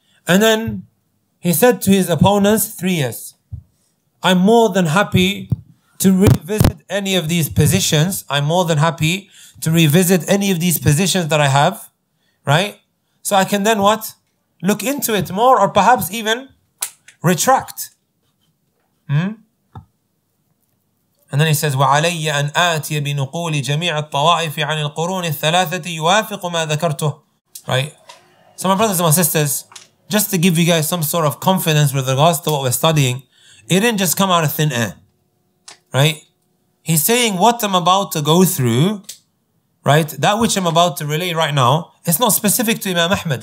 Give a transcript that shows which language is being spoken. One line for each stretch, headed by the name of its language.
English: And then he said to his opponents, 3 years, I'm more than happy to revisit any of these positions. I'm more than happy to revisit any of these positions that I have, right? So I can then what? Look into it more, or perhaps even retract. And then he says,
Arabic: وَعَلَيَّ أَنْ آتِيَ بِنُقُولِ جَمِيعَ الطَّوَائِفِ عَنِ الْقُرُونِ الثَّلَاثَةِ يُوَافِقُ مَا ذَكَرْتُهُ.
English: Right? So my brothers and my sisters, just to give you guys some sort of confidence with regards to what we're studying, it didn't just come out of thin air. Right? He's saying, what I'm about to go through, right? That which I'm about to relay right now, it's not specific to Imam Ahmad.